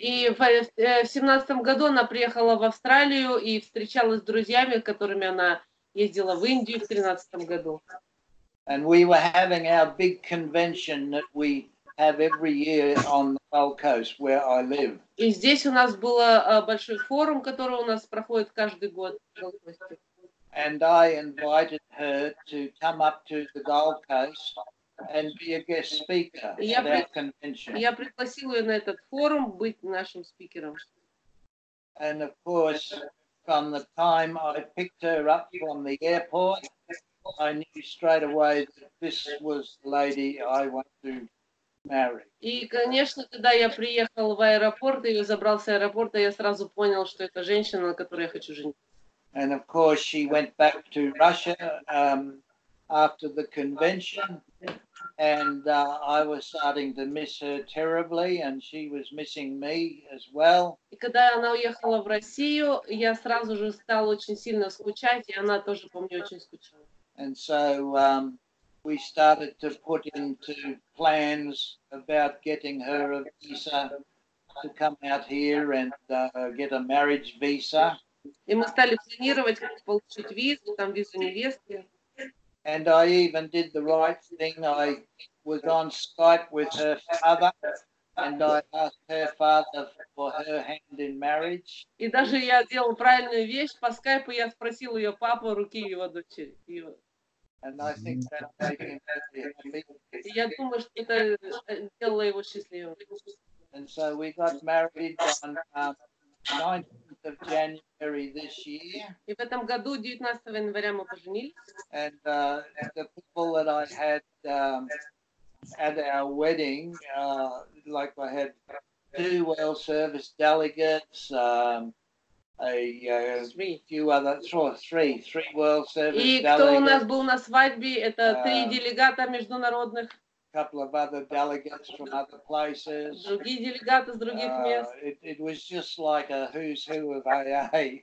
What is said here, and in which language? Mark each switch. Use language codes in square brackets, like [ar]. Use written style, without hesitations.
[ru] И в 17 году она приехала в Австралию и встречалась с друзьями, которыми она ездила в Индию в 13 году. [en] And we were having our big convention that we have every year on the Gold Coast, where I live. [ru] И здесь у нас был большой форум, который у нас проходит каждый год. [en] And I invited her to come up to the Gold Coast and be a guest speaker at our convention. [ru] Я пригласил ее на этот форум быть нашим спикером. [en] And of course, from the time I picked her up from the airport, I knew straight away that this was the lady I want to marry. [ru] И, конечно, когда я приехал в аэропорт и забрал с аэропорта, я сразу понял, что это женщина, на которой я хочу жениться. [en] And of course, she went back to Russia after the convention. And I was starting to miss her terribly, and she was missing me as well. [ru] И когда она уехала в Россию, я сразу же стал очень сильно скучать, и она тоже по мне очень скучала. [en] And so we started to put into plans about getting her a visa to come out here and get a marriage visa. [ru] И мы стали планировать, как получить визу, там визу невесты. [en] And I even did the right thing. I was on Skype with her father, and I asked her father for her hand in marriage. [ru] И даже я сделал правильную вещь по Скайпу. Я спросил ее папу руки его дочери. [en] And I think that made him happy. [ru] Я думаю, что это сделало его счастливым. [en] And so we got married on 19th of January this year. [ru] И в этом году, 19 января, мы поженились. [en] And the people that I had at our wedding, like I had two well service delegates, three well service delegates. [ru] И кто у нас был на свадьбе, это три делегата международных. [en] couple of other delegates from other places. [ru] Другие делегаты с других мест. [en] It was just like a who's who of AA.